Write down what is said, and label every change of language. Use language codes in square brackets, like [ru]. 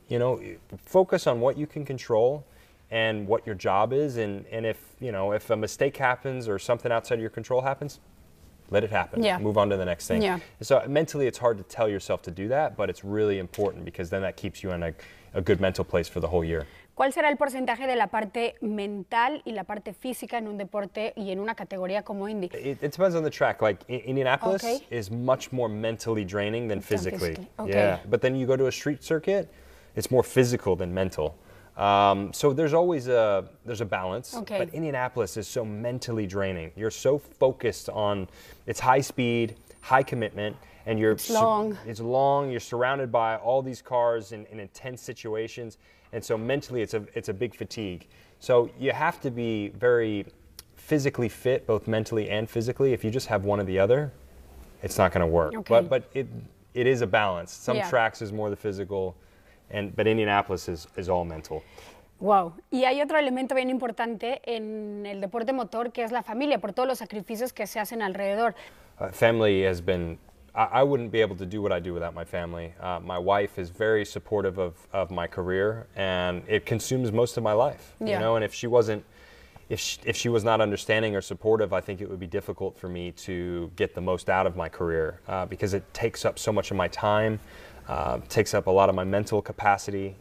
[en] You know, focus on what you can control and what your job is. And if, you know, if a mistake happens or something outside of your control happens, let it happen. Yeah. Move on to the next thing. Yeah. So mentally, it's hard to tell yourself to do that, but it's really important because then that keeps you in a good mental place for the whole year. [es] ¿Cuál será el porcentaje de la parte mental y la parte física en un deporte y en una categoría como Indy? [en] It depends on the track. Like Indianapolis is much more mentally draining than physically. Okay. Yeah. But then you go to a street circuit, it's more physical than mental. So there's always there's a balance. Okay. But Indianapolis is so mentally draining. You're so focused on, it's high speed, high commitment. And you're, it's long. It's long. You're surrounded by all these cars in intense situations. And so mentally, it's a big fatigue. So you have to be very physically fit, both mentally and physically. If you just have one or the other, it's not going to work. Okay. But it is a balance. Some tracks is more the physical, but Indianapolis is all mental. Wow. [es] Y hay otro elemento bien importante en el deporte motor, que es la familia, por todos los sacrificios que se hacen alrededor. [en] Family has been, I wouldn't be able to do what I do without my family. My wife is very supportive of my career, and it consumes most of my life. Yeah. You know, and if she was not understanding or supportive, I think it would be difficult for me to get the most out of my career because it takes up so much of my time, takes up a lot of my mental capacity.